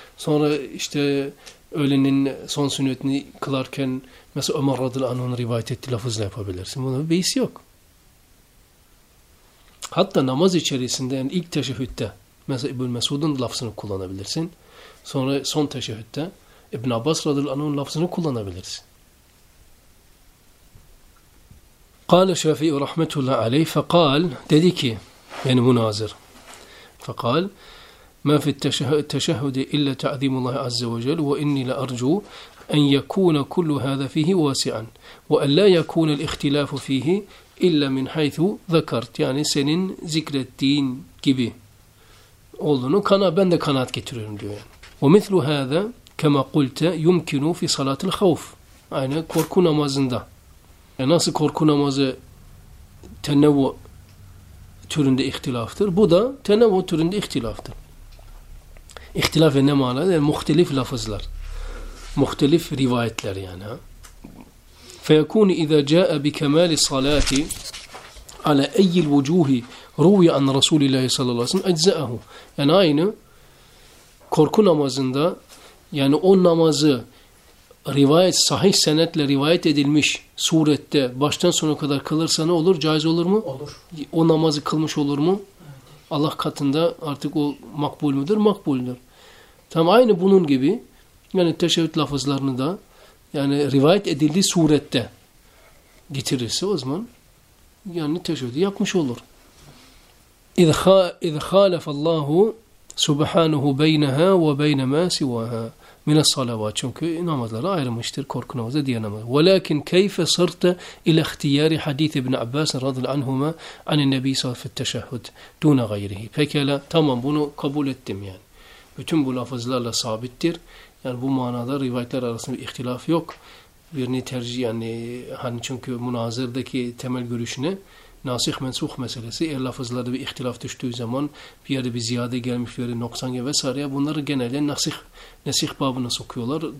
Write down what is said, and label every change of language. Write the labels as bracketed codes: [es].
[tr] Sonra işte öğlenin son sünnetini kılarken mesela Ömer radıyallahu anh'un rivayet ettiği lafızla yapabilirsin. Bunun bir beis yok. Hatta namaz içerisinde yani ilk teşehhütte mesela İbn Mesud'un lafzını kullanabilirsin. Sonra son teşehhütte İbn Abbas radıyallahu anh'un lafzını kullanabilirsin. [ar] قال الشافعي رحمه الله عليه فقال [tr] dedi ki yani münazir. [ar] فقال ما في التشهد إلا تعظيم الله عز وجل وإني لأرجو أن يكون كل هذا فيه واسعا وأن لا يكون الاختلاف فيه إلا من حيث ذكرت يعني [tr] senin zikrettiğin gibi olduğunu ben de kanaat getiriyorum diyor yani. [ar] ومثل هذا كما قلت يمكن في صلاة الخوف [tr] yani korku namazında yani nasıl korku namazı tenevvü türünde ihtilaftır, bu da tenevvü türünde ihtilaftır. İhtilaf ne manada? Yani muhtelif lafızlar. Muhtelif rivayetler yani. [ar] فَيَكُونِ اِذَا جَاءَ بِكَمَالِ الصَّلَاةِ عَلَى اَيِّ الْوُجُوهِ رُوِيَ عَنْ رَسُولِ اللّٰهِ صَلَى اللّٰهِ سَلَى اَجْزَأَهُ [tr] yani aynı korku namazında yani o namazı rivayet, sahih senetle rivayet edilmiş surette baştan sona kadar kılırsa ne olur? Caiz olur mu? Olur. O namazı kılmış olur mu? Allah katında artık o makbul müdür? Makbuldür. Tam aynı bunun gibi yani teşehhüd lafızlarını da yani rivayet edildiği surette getirirse o zaman yani teşehhüdü yapmış olur. [ar] اِذْ خَالَفَ اللّٰهُ سُبْحَانُهُ بَيْنَهَا وَبَيْنَ مَا سِوَهَا مِنَ الصَّلَوَاتِ [tr] çünkü namazları ayrılmıştır. Korku namazı diğer namazı. [ar] وَلَكِنْ كَيْفَ صَرْتَ اِلَى اَخْتِيَارِ حَدِيثِ اِبْنِ عَبَّاسٍ رَضِيَ عَنْهُمَا عَنِ النَّبِيِّ صَلَّى اللّٰهُ عَلَيْهِ وَسَلَّمَ فِي التَّشَهُّدِ دُونَ غَيْرِهِ [tr] pekala tamam bunu kabul ettim yani. Bütün bu lafızlarla sabittir. Yani bu manada rivayetler arasında bir ihtilaf yok. Birini tercih yani hani çünkü münazirdeki temel görüşüne nasih mensuh meselesi eğer lafızlarda bir ihtilaf düştüğü zaman bir yerde bir ziyade gelmiş bir yerde noksan gibi vesaire bunları genelde nesih babına sokuyorlar.